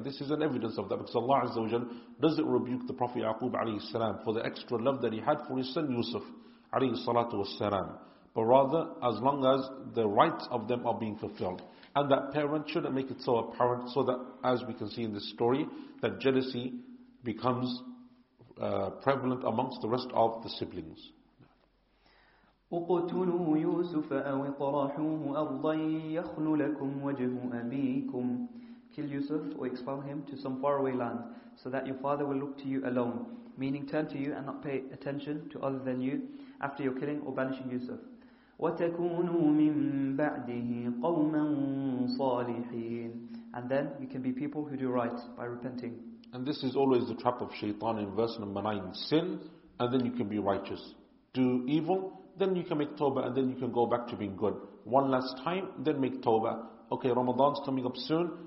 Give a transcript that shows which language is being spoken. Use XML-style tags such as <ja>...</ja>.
<en>And this is an evidence of that, because Allah Azza wa Jal doesn't rebuke the Prophet Yaqub alayhi salam for the extra love that he had for his son Yusuf alayhi salatu wasalam, but rather as long as the rights of them are being fulfilled. And that parent shouldn't make it so apparent, so that, as we can see in this story, that jealousy becomes prevalent amongst the rest of the siblings.</en> <ar>اقتلوا يوسف أو اطرحوه أرضا يخل لكم وجه أبيكم.</ar> <en>Kill Yusuf or expel him to some faraway land, so that your father will look to you alone, meaning turn to you and not pay attention to other than you after your killing or banishing Yusuf.</en> <ar>وتكونوا من بعده قوما صالحين.</ar> <en>And then you can be people who do right by repenting. And this is always the trap of Shaitan in verse number 9. Sin, and then you can be righteous. do evil, then you can make tawbah and then you can go back to being good. One last time, then make tawbah. Okay, Ramadan's coming up soon.</en>